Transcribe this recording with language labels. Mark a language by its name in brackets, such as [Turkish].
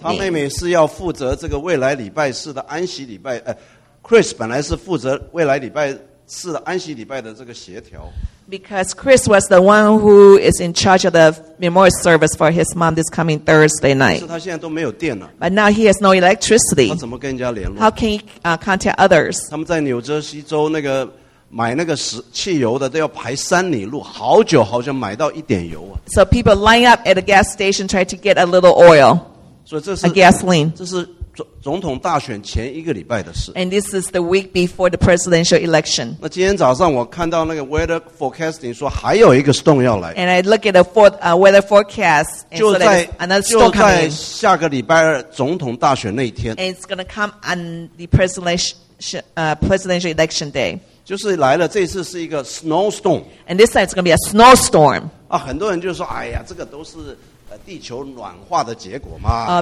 [Chinese] 他妹妹是要负责这个未来礼拜四的安息礼拜。 Chris 本来是负责未来礼拜四的安息礼拜的这个协调。 [English] Because Chris was the one who is in charge of the memorial service for his mom this coming Thursday night. [Chinese] 但是他现在都没有电了。 [English] But now he has no electricity. [Chinese] 他怎么跟人家联络？ [English] How can he contact others? [Chinese] 他们在纽泽西州那个买那个汽油的都要排3里路，好久好久买到一点油啊。 [English] So people line up at a gas station try to get a little oil. [Chinese] 所以这是 [English] a gasoline. [Chinese] 这是总统大选前一个礼拜的事。 [English] And this is the week before the presidential election. [Chinese] 那今天早上我看到那个 weather forecasting 说还有一个 storm 要来。 [English] And I look at the weather forecast. [Chinese] 就在下个礼拜二总统大选那一天。 [English] And it's going to come on the presidential presidential election day. [Chinese] 就是来了，这次是一个 snowstorm. [English] And this time it's going to be a snowstorm. [Chinese] 啊，很多人就说，哎呀，这个都是地球暖化的结果嘛。